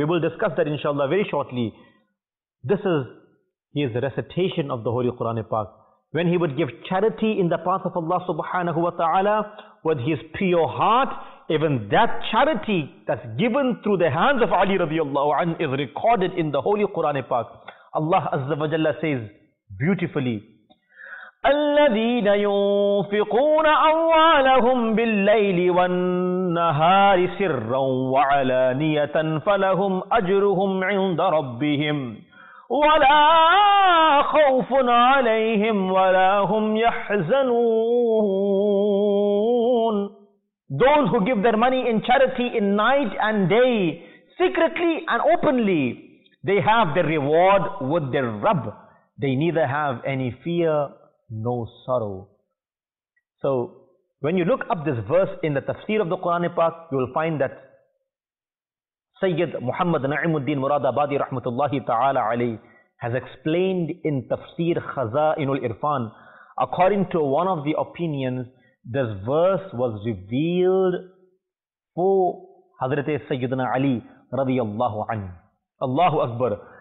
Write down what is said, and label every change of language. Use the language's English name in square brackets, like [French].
[English] We will discuss that inshallah very shortly. This is his recitation of the Holy Quran Pak. When he would give charity in the path of Allah subhanahu wa ta'ala with his pure heart, even that charity that's given through the hands of Ali radiallahu an is recorded in the Holy Quran Pak. Allah Azza wa Jalla says beautifully, [Arabic] الذين ينفقون أموالهم بالليل والنهار سرا وعلانية فلهم أجرهم عند ربهم ولا خوف عليهم ولا هم يحزنون. [English] Those who give their money in charity in night and day, secretly and openly, they have their reward with their Rabb. They neither have any fear, no sorrow. So when you look up this verse in the tafsir of the Quran Pak, you will find that Sayyid Muhammad Na'imuddin Murad Abadi rahmatullahi ta'ala alayhi has explained in tafsir Khazainul Irfan, according to one of the opinions, this verse was revealed for Hazrat Sayyidina Ali radiyallahu anhu. Allahu Akbar.